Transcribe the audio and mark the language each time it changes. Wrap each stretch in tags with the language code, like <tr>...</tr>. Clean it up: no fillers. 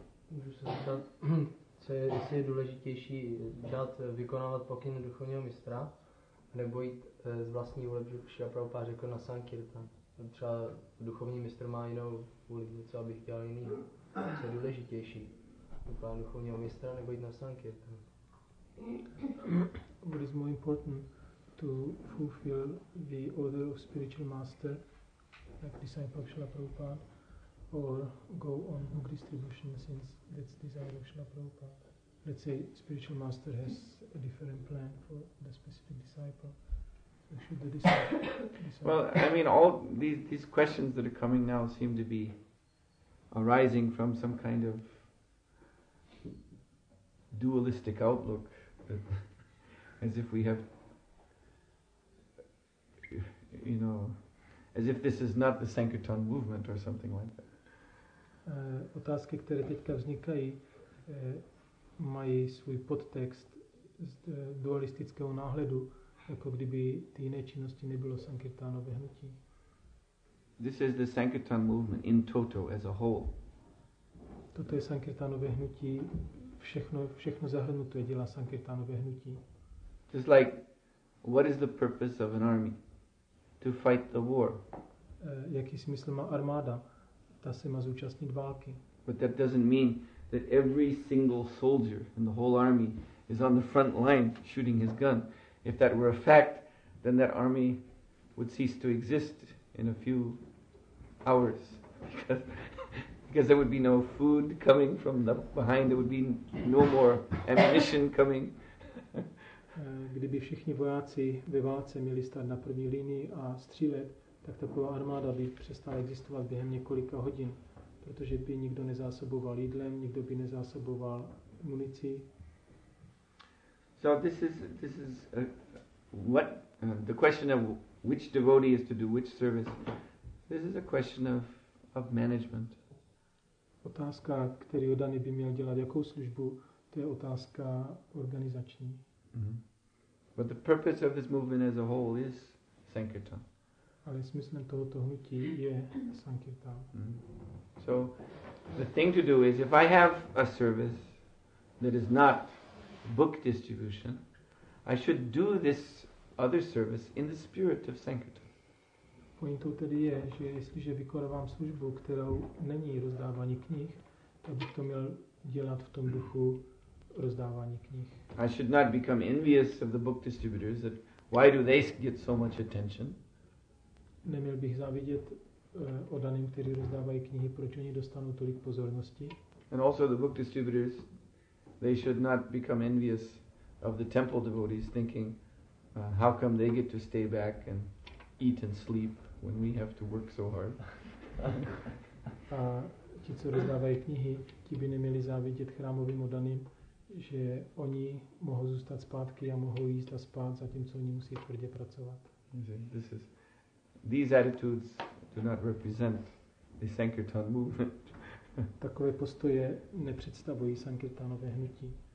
<cs>Můžu se zeptat, jestli je důležitější dělat, vykonávat pokyn duchovního mistra, nebo jít z vlastní vůle, protože Šila Prabhupáda řekl na Sankirtan. Třeba duchovní mistr má jinou vůli, něco, abych dělal jiný. Co je důležitější, vykonávat duchovního mistra, nebo jít na Sankirtan?</cs> <en>What is more important, to fulfill the order of spiritual master, like disciple of Šila Prabhupáda, or go on book distribution, since that's desire of Srila Prabhupada. Let's say spiritual master has a different plan for the specific disciple. So should the disciple? Well, I mean, all these questions that are coming now seem to be arising from some kind of dualistic outlook, as if we have, you know, as if this is not the Sankirtan movement or something like that.</en> <cs>Otázky, které teďka vznikají, mají svůj podtext z dualistického náhledu, jako kdyby ty jiné činnosti nebylo Sankirtánové hnutí.</cs> <en>This is the Sankirtan movement in toto, as a whole.</en> <cs>Toto je Sankirtánové hnutí, všechno zahrnuté dělá Sankirtánové hnutí.</cs> <en>Just like, what is the purpose of an army? To fight the war.</en> <cs>Jaký smysl má armáda? Ta se má zúčastnit války.</cs> <en>But that doesn't mean that every single soldier in the whole army is on the front line shooting his gun. If that were a fact, then that army would cease to exist in a few hours. Because there would be no food coming from the behind, there would be no more ammunition coming.</en> <cs>Kdyby všichni vojáci ve válce měli stát na první linii a střílet, tak taková armáda by přestala existovat během několika hodin, protože by nikdo nezásoboval jídlem, nikdo by nezásoboval municí.</cs> <en>So this is the question of which devotee is to do which service. This is a question of management.</en> <cs>Otázka, který daný by měl dělat jakou službu, to je otázka organizační. Mm-hmm.</cs> <en>But the purpose of this movement as a whole is Sankirtan.</en> <cs>Ale smyslem tohoto hnutí je Sankirtan. Mm-hmm.</cs> <en>So the thing to do is, if I have a service that is not book distribution, I should do this other service in the spirit of Sankirtan.</en> <cs>Pointou tedy je, že jestliže vykonávám službu, kterou není rozdávání knih, tak bych to měl dělat v tom duchu rozdávání knih.</cs> <en>I should not become envious of the book distributors, that why do they get so much attention?</en> <cs>Neměl bych závidět odaným, kteří rozdávají knihy, proč oni dostanou tolik pozornosti.</cs> <en>And also the book distributors, they should not become envious of the temple devotees, thinking, how come they get to stay back and eat and sleep when we have to work so hard.</en> <cs>A ti, co rozdávají knihy, ti by neměli závidět chrámovým odaným, že oni mohou zůstat zpátky a mohou jíst a spát, zatímco oni musí tvrdě pracovat.</cs> <en>These attitudes do not represent the Sankirtan movement.</en> <cs>Takové postoje nepředstavují Sankirtanové hnutí.</cs>